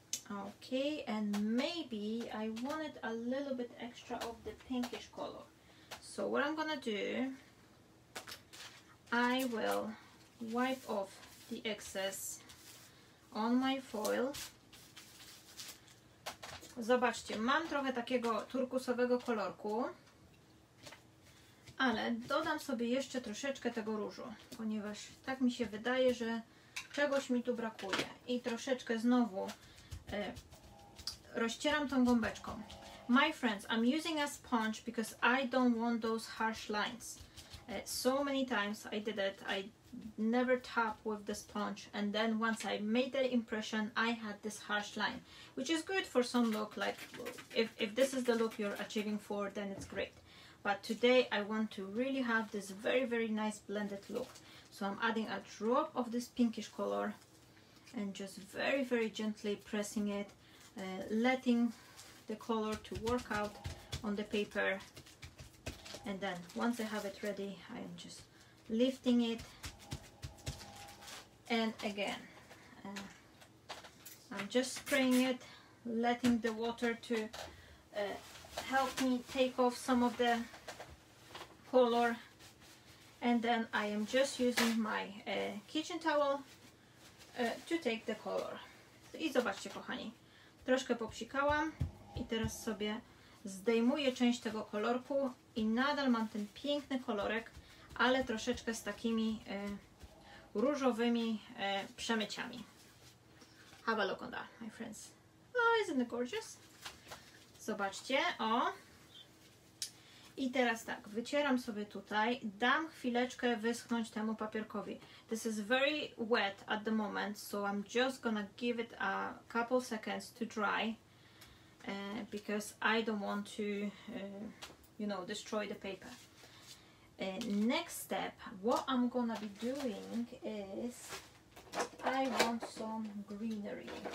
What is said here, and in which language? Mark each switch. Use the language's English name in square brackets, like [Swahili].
[English] Okay, and maybe I wanted a little bit extra of the pinkish color. So what I'm gonna do, I will wipe off the excess on my foil. [Polish] Zobaczcie, mam trochę takiego turkusowego kolorku, ale dodam sobie jeszcze troszeczkę tego różu, ponieważ tak mi się wydaje, że czegoś mi tu brakuje. I troszeczkę znowu rozcieram tą gąbeczką. [English] My friends, I'm using a sponge because I don't want those harsh lines. So many times I did it, I never tap with the sponge, and then once I made the impression, I had this harsh line, which is good for some look. Like if this is the look you're achieving for, then it's great. But today I want to really have this very, very nice blended look. So I'm adding a drop of this pinkish color and just very, very gently pressing it, letting the color to work out on the paper. And then once I have it ready, I am just lifting it. And again, I'm just spraying it, letting the water to help me take off some of the color. And then I am just using my kitchen towel to take the color. [Polish] I zobaczcie, kochani, troszkę popsikałam i teraz sobie zdejmuję część tego kolorku i nadal mam ten piękny kolorek, ale troszeczkę z takimi różowymi przemyciami. [English] Have a look on that, my friends. Oh, isn't it gorgeous? [Polish] Zobaczcie, o. I teraz tak, wycieram sobie tutaj, dam chwileczkę wyschnąć temu papierkowi. This is very wet at the moment, so I'm just gonna give it a couple seconds to dry, because I don't want to, you know, destroy the paper. Next step, what I'm gonna be doing is I want some greenery.